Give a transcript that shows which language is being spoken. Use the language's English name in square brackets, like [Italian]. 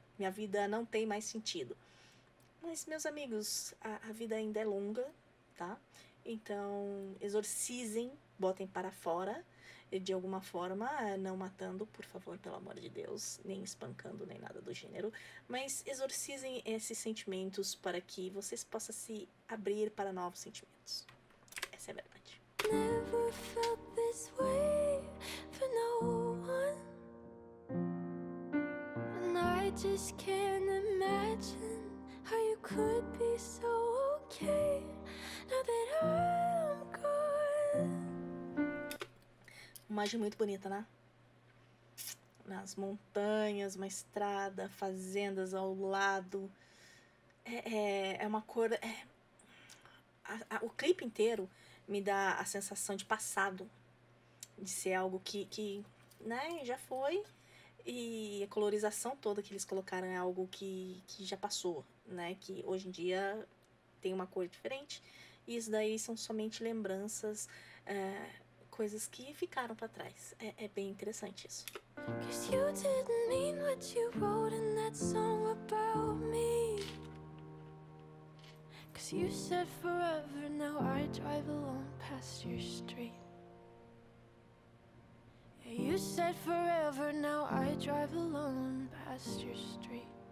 [Portuguese] Minha vida não tem mais sentido. Mas, meus amigos, a vida ainda é longa, tá? Então, exorcizem botem para fora, de alguma forma, não matando, por favor, pelo amor de Deus, nem espancando, nem nada do gênero, mas exorcizem esses sentimentos para que vocês possam se abrir para novos sentimentos. Essa é a verdade. [English] Never felt this way for no one. I just can't imagine how you could be so okay now that I'm gone. [Portuguese] Uma imagem muito bonita, né? Nas montanhas, uma estrada, fazendas ao lado. É uma cor. O clipe inteiro me dá a sensação de passado, de ser algo que né, já foi. E a colorização toda que eles colocaram é algo que já passou, né? Que hoje em dia tem uma cor diferente. E isso daí são somente lembranças, coisas que ficaram pra trás. É bem interessante isso. [English] 'Cause you didn't mean what you wrote in that song about me. 'Cause you said forever, now I drive alone past your street. You said forever, now I drive alone past your street.